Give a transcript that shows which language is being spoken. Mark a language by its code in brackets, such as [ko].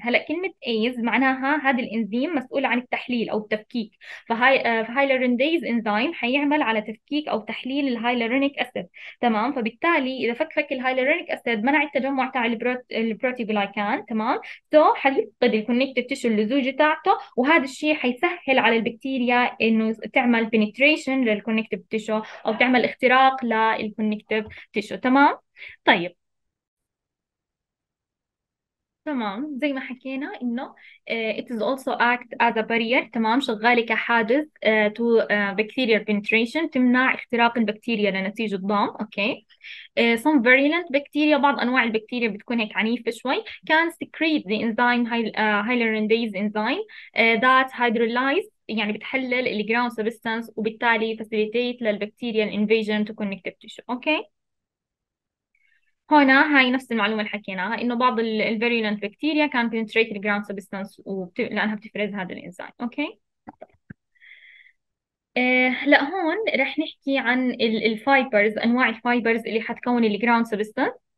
[ar] هلا كلمه ايز معناها هذا الانزيم مسؤول عن التحليل او التفكيك، فهايلورونيديز انزيم حيعمل على تفكيك او تحليل الهايلورونيك اسيد، تمام، فبالتالي اذا فك الهايلورونيك اسيد منع التجمع تاع البروتيوغلايكان، تمام، سو حيفقد الكونكتيف تيشو اللزوجه تاعته، وهذا الشيء حيسهل على البكتيريا انه تعمل بنتريشن للكونكتيف تيشو او تعمل اختراق للكونكتيف تيشو، تمام. طيب تمام، زي ما حكينا انه [en] it is also act as a barrier، [ar] تمام، شغاله كحاجز [en] to bacterial penetration، [ar] تمنع اختراق البكتيريا لنسيج الضام. اوكي [en] some virulent bacteria، [ar] بعض انواع البكتيريا بتكون هيك عنيفه شوي، [en] can secrete the enzyme hyaluronidase enzyme that hydrolyze، [ar] يعني بتحلل الجراوند سبستانس وبالتالي facilitate للبكتيريا [en] invasion to connective tissue. [ar] اوكي هنا هاي نفس المعلومة اللي حكيناها انه بعض الـ virulent bacteria [en] can penetrate the ground substance [ar] لانها بتفرز هذا الانزيم. اوكي okay. لا هون رح نحكي عن الفايبرز، انواع الفايبرز اللي حتكون الجراوند سبستنس.